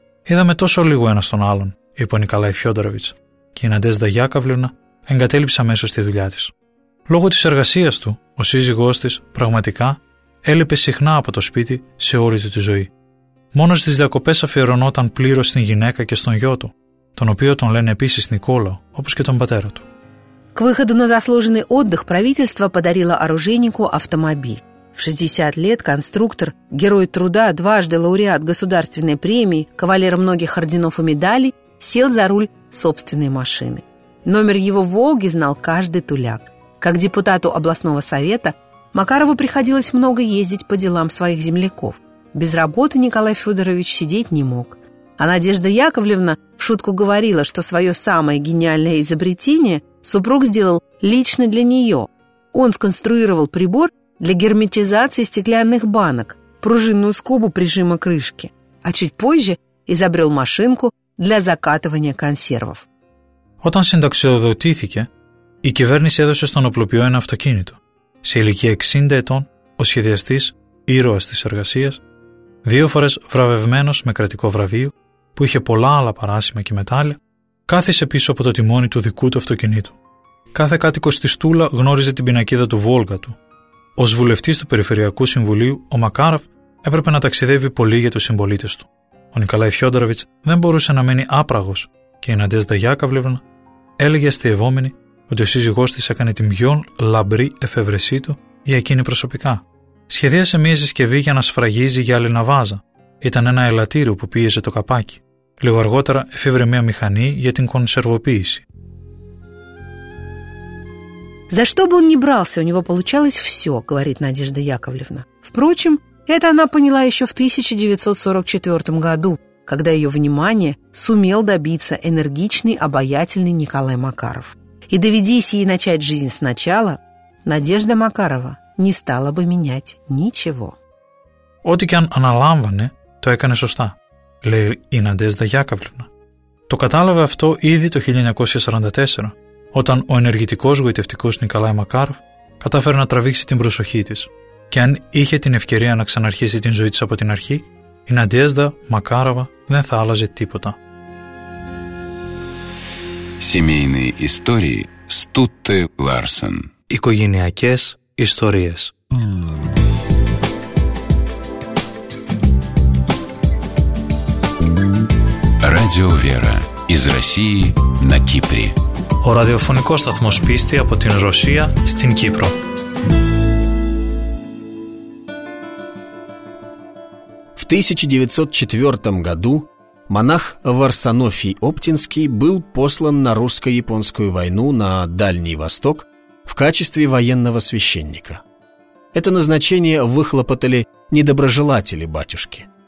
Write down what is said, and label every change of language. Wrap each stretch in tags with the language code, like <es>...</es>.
<el>«Είδαμε τόσο λίγο ένας τον άλλον», είπε ο Νικολάη Φιόντοροβιτς. Και η Νατέζδα Γιάκαβλουνα εγκατέλειψε αμέσως στη δουλειά της. Λόγω της εργασίας του, ο σύζυγός της πραγματικά έλειπε συχνά από το σπίτι σε όλη του τη ζωή. Μόνο στις διακοπές αφιερωνόταν πλήρως στην γυναίκα και στον γιο του, τον οποίο τον λένε επίσης Νικόλαο, όπως και τον πατέρα του.</el> <ru>К выходу на заслуженный отдых правительство подарило оружейнику автомобиль. В 60 лет конструктор, герой труда, дважды лауреат государственной премии, кавалер многих орденов и медалей, сел за руль собственной машины. Номер его «Волги» знал каждый туляк. Как депутату областного совета Макарову приходилось много ездить по делам своих земляков. Без работы Николай Федорович сидеть не мог. А Надежда Яковлевна в шутку говорила, что свое самое гениальное изобретение супруг сделал лично для нее. Он сконструировал прибор для герметизации стеклянных банок, пружинную скобу прижима крышки, а чуть позже изобрел машинку для закатывания консервов.</ru> <el>Όταν συνταξιοδοτήθηκε, η κυβέρνηση έδωσε στον οπλοποιό ένα αυτοκίνητο. Σε ηλικία 60 ετών, ο σχεδιαστής, ήρωας της εργασίας, δύο φορές βραβευμένος με κρατικό βραβείο, που είχε πολλά άλλα παράσημα και μετάλλια, κάθισε πίσω από το τιμόνι του δικού του αυτοκινήτου. Κάθε κάτοικος της Τούλα γνώριζε την πινακίδα του Βόλγα του. Ως βουλευτής του Περιφερειακού Συμβουλίου, ο Μακάροφ έπρεπε να ταξιδεύει πολύ για τους συμπολίτες του. Ο Νικολάη Φιόνταροβιτς δεν μπορούσε να μείνει άπραγος και η Ναντέζδα Γιάκαβλεβνα έλεγε αστειευόμενη ότι ο σύζυγός της έκανε την πιο λαμπρή εφεύρεσή του για εκείνη προσωπικά. Σχεδίασε μια συσκευή για να σφραγίζει γυάλινα βάζα. Ήταν ένα ελαττήριο που πίεζε το καπάκι. Λίγο αργότερα εφεύρε μια μηχανή για την κονσερβοποίηση.</el> <ru>«За что бы он ни брался, у него получалось все», — говорит Надежда Яковлевна. Впрочем, это она поняла еще в 1944 году, когда ее внимание сумел добиться энергичный, обаятельный Николай Макаров. И доведись ей начать жизнь сначала, Надежда Макарова не стала бы менять ничего.</ru> <el>«Оти кян аналамване, то экане соста», — лей и Надежда Яковлевна. «То каталове авто иди то 1944-го». Όταν ο ενεργητικός γοητευτικός Νικολάη Μακάροφ κατάφερε να τραβήξει την προσοχή της. Και αν είχε την ευκαιρία να ξαναρχίσει την ζωή της από την αρχή, η Ναντέζδα Μακάροβα δεν θα άλλαζε τίποτα.</el> <ru>Семейные истории Стутте Ларсен.</ru> <el>Οικογενειακές ιστορίες.</el> <ru>Радио Вера из России на Кипре.</ru> <el>Ο ραδιοφωνικός σταθμός πίστη από την Ρωσία στην Κύπρο.</el> <ru>В 1904 году монах Варсонофий Оптинский был послан на русско-японскую войну на Дальний Восток в качестве военного священника. Это назначение выхлопотали недоброжелатели батюшки.</ru>